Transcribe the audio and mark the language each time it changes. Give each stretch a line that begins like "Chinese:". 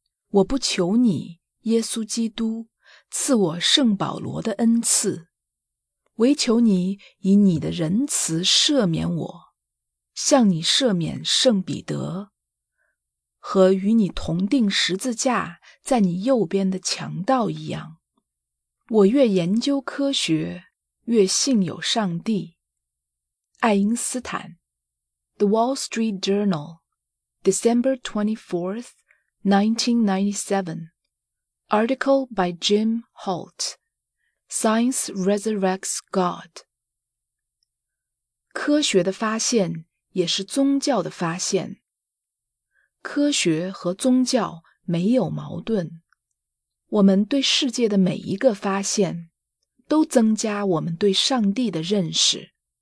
Chinese: 我不求你，耶稣基督，赐我圣保罗的恩赐，唯求你以你的仁慈赦免我，向你赦免圣彼得和与你同定十字架在你右边的强盗一样。我越研究科学，越信有上帝。爱因斯坦。
English: The Wall Street Journal, December 24th, 1997, Article by Jim Holt, Science Resurrects God.
Chinese: 科学的发现也是宗教的发现，科学和宗教没有矛盾，我们对世界的每一个发现都增加我们对上帝的认识。